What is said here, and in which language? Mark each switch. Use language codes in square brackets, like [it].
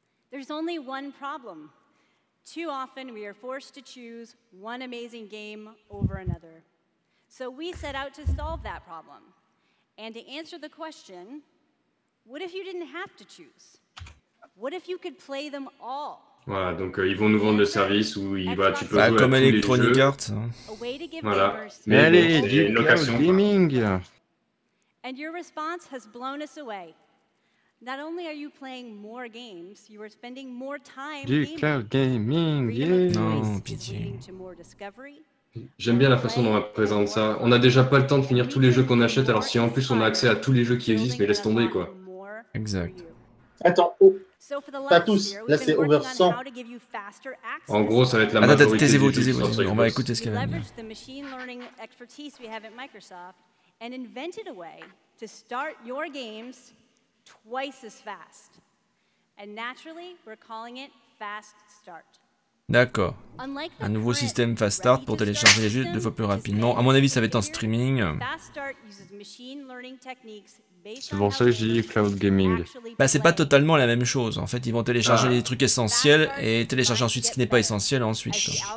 [en] There's only one problem. Too often we are forced to choose one amazing game over another. So we set out to solve that problem. And to answer the question, what if you didn't have to choose? What if you could play them all? [fr] Voilà, donc ils vont nous vendre le service où tu peux jouer comme à tous [en] Electronic [fr] les jeux. [en] Arts. [fr] Voilà. Mais allez, du cloud gaming. [en] And your response has blown us away. Not only are you playing more games, you are spending more time [fr] du cloud gaming, yeah. Non, pitié. J'aime bien la façon dont on présente ça. On n'a déjà pas le temps de finir tous les jeux qu'on achète, alors si en plus on a accès à tous les jeux qui existent, mais laisse tomber, quoi. Exact. Attends, oh, pas tous, là c'est [en] over 100. [fr] En gros, ça va être la majorité. Attends, taisez-vous, on va écouter ce qu'elle va dire. [en] Leverage the machine learning expertise we have at Microsoft and invented a way to start your games twice as fast. And naturally, we're calling it Fast Start. [fr] D'accord. Un nouveau système Fast Start pour télécharger les jeux deux fois plus rapidement. À mon avis, ça va être en streaming. C'est pour ça que j'ai dit cloud gaming. Bah, c'est pas totalement la même chose. En fait, ils vont télécharger les trucs essentiels et télécharger ensuite ce qui n'est pas essentiel ensuite.